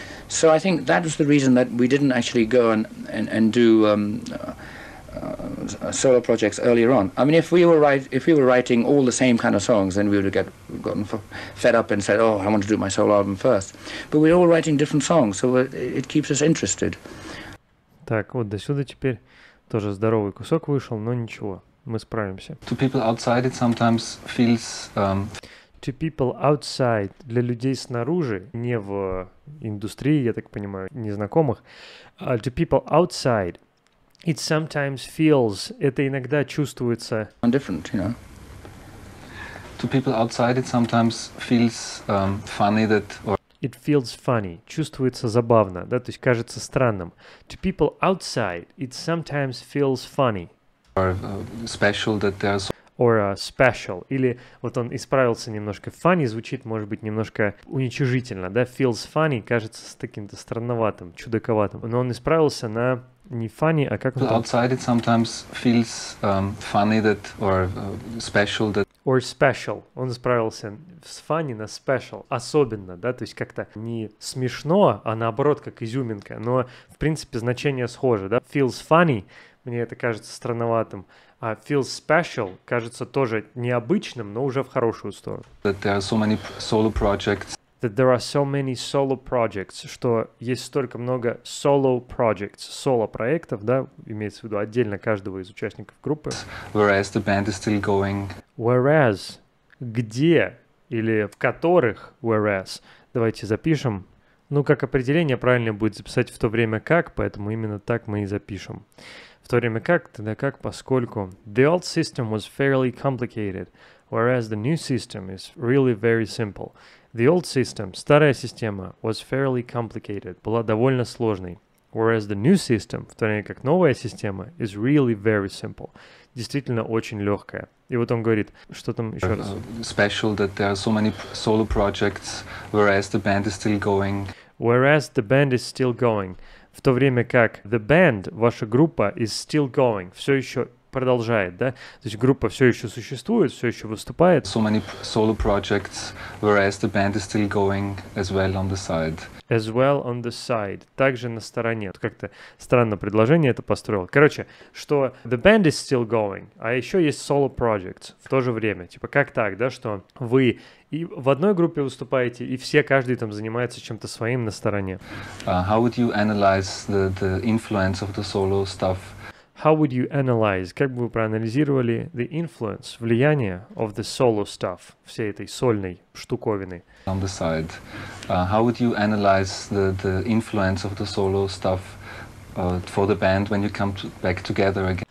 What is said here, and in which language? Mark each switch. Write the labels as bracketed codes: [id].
[en] So I think that was the reason that we didn't actually go and do solo projects earlier on. I mean, if we were writing all the same kind of songs, then we would have gotten fed up and said, oh, I want to do my solo album first. But we're all writing different songs, so it keeps us interested. [ru] Так, вот до сюда теперь тоже здоровый кусок вышел, но ничего, мы справимся. [en] To people outside it sometimes feels... To people outside, [ru] для людей снаружи, не в индустрии, я так понимаю, незнакомых. [en] To people outside, it sometimes feels, [ru] это иногда чувствуется... [en] Different, you know. To people outside, it sometimes feels funny that... Or... It feels funny, [ru] чувствуется забавно, да, то есть кажется странным. [en] To people outside, it sometimes feels funny. Or special that there's... Or a special, [ru] или вот он исправился немножко, funny звучит, может быть, немножко уничижительно, да, [en] feels funny, [ru] кажется, с таким-то странноватым, чудаковатым, но он исправился на не funny, а как он [en] outside It sometimes feels funny that, or special that... [ru] Or special, он исправился с funny на special, особенно, да, то есть как-то не смешно, а наоборот, как изюминка, но, в принципе, значение схоже, да, [en] feels funny, [ru] мне это кажется странноватым, а [en] feels special [ru] кажется тоже необычным, но уже в хорошую сторону. [en] That there are so many solo projects. That there are so many solo projects, [ru] что есть столько много solo projects, solo проектов, да, имеется в виду отдельно каждого из участников группы. [en] Whereas the band is still going. [ru] Whereas, где или в которых, whereas, давайте запишем. Ну, как определение, правильно будет записать в то время как, поэтому именно так мы и запишем. В то время как, тогда как, поскольку... [en] The old system was fairly complicated, whereas the new system is really very simple. The old system, [ru] старая система, [en] was fairly complicated, [ru] была довольно сложной. [en] Whereas the new system, [ru] в то время как новая система, [en] is really very simple. [ru] Действительно очень легкая. И вот он говорит, что там еще раз. [en] Special that there are so many solo projects, whereas the band is still going. Whereas the band is still going. [ru] В то время как [en] the band, [ru] ваша группа, [en] is still going. [ru] Все еще продолжает, да? То есть группа все еще существует, все еще выступает. [en] So many solo projects, whereas the band is still going as well on the side. As well on the side. [ru] Также на стороне. Вот как-то странно предложение это построил. Короче, что [en] the band is still going, [ru] а еще есть solo projects в то же время. Типа как так, да, что вы и в одной группе выступаете, и все, каждый там занимается чем-то своим на стороне. [en] How would you analyze the influence of the solo stuff? How would you analyze, [ru] как бы вы проанализировали [en] the influence, влияние of the solo stuff, [ru] всей этой сольной штуковины? [en] On the side. How would you analyze the influence of the solo stuff for the band when you come back together again?